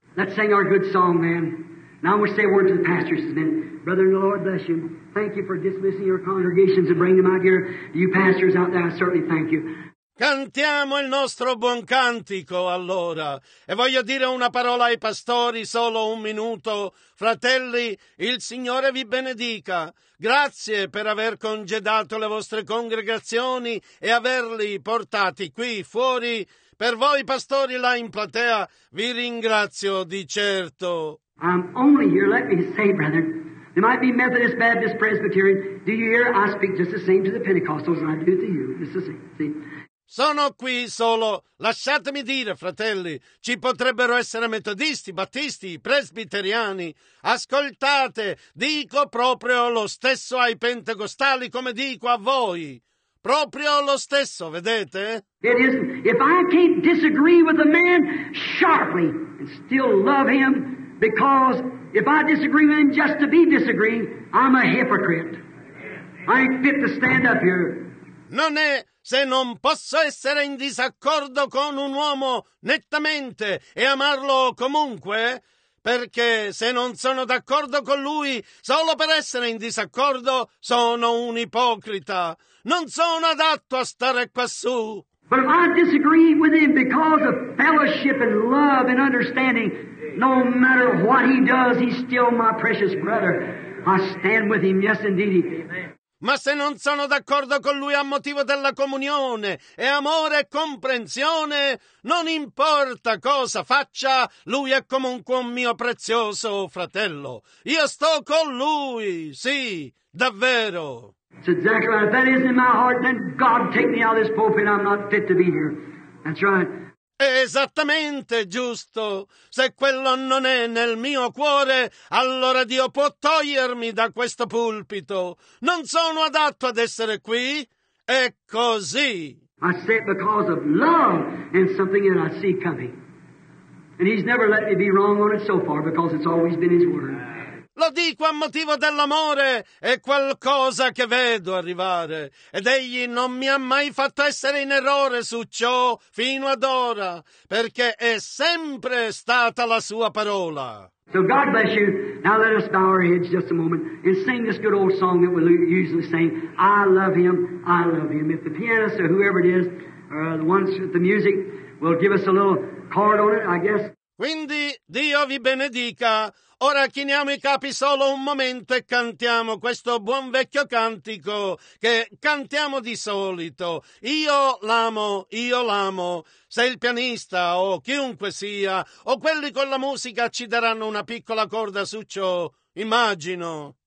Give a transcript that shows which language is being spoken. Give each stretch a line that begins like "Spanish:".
English: Let's sing our good song, man. Now we say a word to the pastors, man. Brother, the Lord bless you. Thank you for dismissing your congregations and bringing them out here. You pastors out there, I certainly thank you.
Italian: Cantiamo il nostro buon cantico, allora. E voglio dire una parola ai pastori, solo un minuto. Fratelli, il Signore vi benedica. Grazie per aver congedato le vostre congregazioni e averli portati qui fuori. Per voi, pastori, là in platea, vi ringrazio di certo.
English: I'm only here, let me say, brother. There might be Methodist, Baptist, Presbyterian. Do you hear? I speak just the same to the Pentecostals as I do to you. It's the same, see?
Italian: Sono qui solo, lasciatemi dire, fratelli, ci potrebbero essere metodisti, battisti, presbiteriani. Ascoltate, dico proprio lo stesso ai pentecostali come dico a voi. Proprio lo stesso, vedete?
English: It is, if I can't disagree with a man sharply and still love him, because if I disagree with him just to be disagreeing, I'm a hypocrite. I ain't fit to stand up here.
Italian: Non è se non posso essere in disaccordo con un uomo nettamente e amarlo comunque, perché se non sono d'accordo con lui solo per essere in disaccordo, sono un ipocrita. Non sono adatto a stare quassù.
English: But if I disagree with him because of fellowship and love and understanding, no matter what he does, he's still my precious brother. I stand with him, yes indeed.
Italian: Ma se non sono d'accordo con lui a motivo della comunione e amore e comprensione, non importa cosa faccia, lui è comunque un mio prezioso fratello. Io sto con lui, sì, davvero.
English: That's exactly right. If that isn't in my heart, then God take me out of this pulpit. I'm not fit to be here. That's right.
Italian: Esattamente giusto. Se quello non è nel mio cuore, allora Dio può togliermi da questo pulpito. Non sono adatto ad essere qui. È così.
English: I say it because of love and something that I see coming. And he's never let me be wrong on it so far, because it's always been his word.
Italian: Lo dico a motivo dell'amore, è qualcosa che vedo arrivare. Ed egli non mi ha mai fatto essere in errore su ciò fino ad ora, perché è sempre stata la sua parola.
English: So God bless you. Now let us bow our heads just a moment and sing this good old song that we usually sing. I love him, I love him. If the pianist or whoever it is, or the ones with the music, will give us a little chord on it, I guess.
Italian: Quindi Dio vi benedica. Ora chiniamo i capi solo un momento e cantiamo questo buon vecchio cantico che cantiamo di solito. Io l'amo, io l'amo. Se il pianista o chiunque sia, o quelli con la musica ci daranno una piccola corda su ciò, immagino.